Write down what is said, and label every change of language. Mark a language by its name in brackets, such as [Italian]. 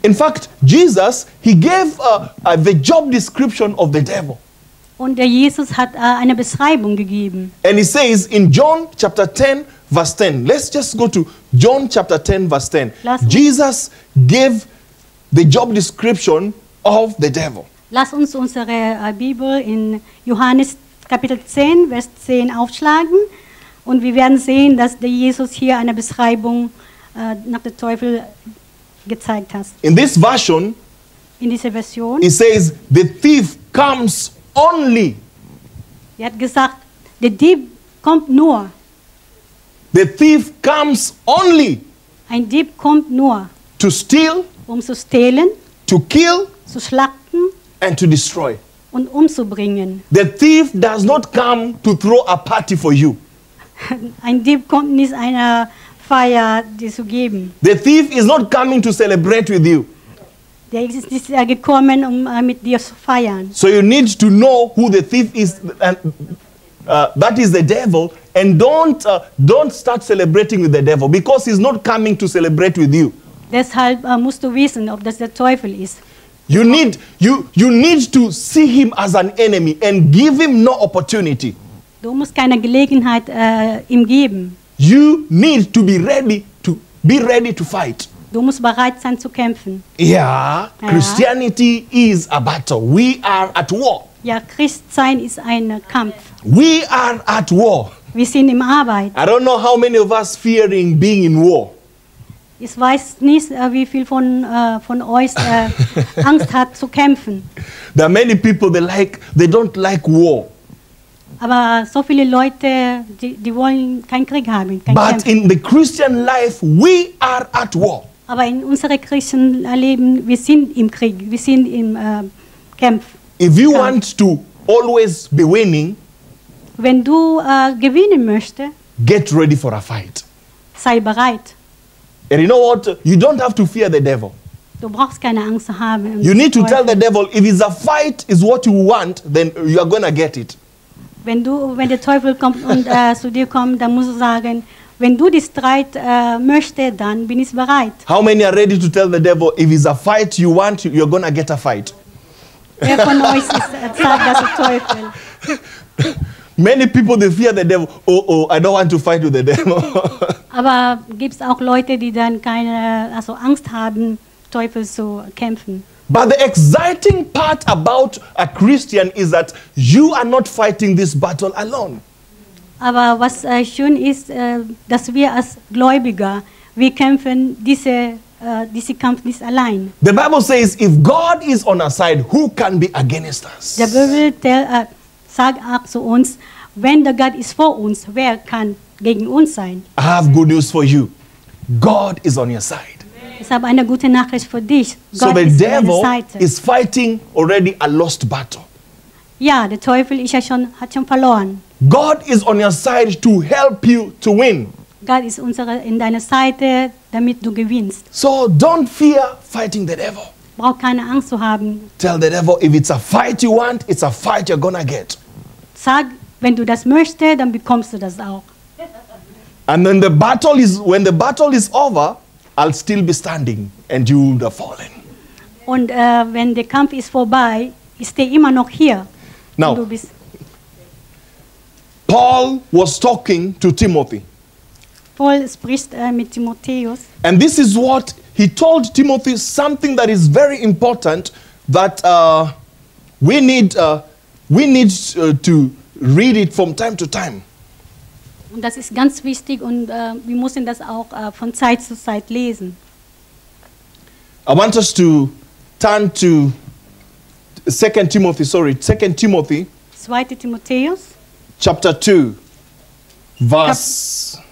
[English] In fact, Jesus, he gave the job description of the devil. [German] Und der Jesus hat eine Beschreibung gegeben. [English] And he says in John chapter 10, verse 10. Let's just go to John chapter 10, verse 10. Jesus gave the job description of the devil. [German] Lass uns unsere Bibel in Johannes Kapitel 10, Vers 10 aufschlagen. Und wir werden sehen, dass der Jesus hier eine Beschreibung nach dem Teufel gezeigt hat. [English] In this version, [German] in dieser Version, [English] he says, the thief comes only. [German] Er hat gesagt, der Dieb kommt nur. [English] The thief comes only. [German] Ein Dieb kommt nur. [English] To steal. [German] Um zu stehlen. [English] To kill. [German] Zu schlachten. [English] And to destroy. [German] Und umzubringen. [English] The thief does not come to throw a party for you. [German] Ein Dieb kommt nicht eine Feier dir zu geben. [English] The thief is not coming to celebrate with you. [German] Der ist nicht gekommen, um mit dir zu feiern. [English] So you need to know who the thief is, and that is the devil. And don't start celebrating with the devil, because he's not coming to celebrate with you. [German] Deshalb musst du wissen, ob das der Teufel ist. [English] You need to see him as an enemy and give him no opportunity. [German] Du musst keine Gelegenheit ihm geben. [English] You need to be ready to fight. [German] Du musst bereit sein zu kämpfen. [English] Yeah, Christianity is a battle. We are at war. [German] Ja, Christsein ist ein Kampf. [English] We are at war. [German] Wir sind im Arbeit. [English] I don't know how many of us fearing being in war. [German] Ich weiß nicht, wie viel von euch Angst hat zu kämpfen. [English] There are many people they don't like war. [German] Aber so viele Leute, die wollen keinen Krieg haben, keinen Kampf. [English] But in the Christian life, we are at war. [German] Aber in unserem christlichen Leben, wir sind im Krieg, wir sind im Kampf. [English] If you want to always be winning, [German] wenn du gewinnen möchtest, [English] get ready for a fight. [German] Sei bereit. [English] And you know what? You don't have to fear the devil. [German] Du brauchst keine Angst haben. [English] You need to tell the devil, if it's a fight, is what you want, then you are going to get it. [German] Wenn der Teufel kommt und zu dir kommt, dann musst du sagen, Wenn du die Streit möchte, dann bin ich bereit. [English] How many are ready to tell the devil if it's a fight you want, you're gonna get a fight? [German] Wer von euch ist zart, das ist Teufel? [English] Many people they fear the devil. Oh, oh, I don't want to fight with the devil. [German] Aber gibt's auch Leute, die dann keine, also Angst haben, Teufel zu kämpfen? [English] But the exciting part about a Christian is that you are not fighting this battle alone. [German] Aber was schön ist, dass wir als Gläubiger, wir kämpfen diese Kampf nicht allein. [English] The Bible says, if God is on our side, who can be against us? [German] Die Bibel sagt auch zu uns, wenn der Gott ist vor uns, wer kann gegen uns sein? [English] I have good news for you. God is on your side. [German] Ich habe eine gute Nachricht für dich. [English] So the devil is fighting already a lost battle. [German] Ja, der Teufel ist ja schon, hat schon verloren. [English] God is on your side to help you to win. [German] Gott ist unsere in deiner Seite, damit du gewinnst. [English] So don't fear fighting the devil. [German] Brauch keine Angst zu haben. [English] Tell the devil if it's a fight you want, it's a fight you're gonna get. [German] Sag, wenn du das möchtest, dann bekommst du das auch. [English] And then the battle is when the battle is over, I'll still be standing and you will have fallen. [German] Und wenn der Kampf ist vorbei, ich stehe immer noch hier. [English] Now, Paul was talking to Timothy. [German] Paul spricht mit Timotheus. [English] And this is what he told Timothy, something that is very important that we need to read it from time to time. [German] Und das ist ganz wichtig und wir müssen das auch von Zeit zu Zeit lesen. [English] I want us to turn to 2 Timothy. [German] 2. Timotheus. [English] Chapter 2, verse.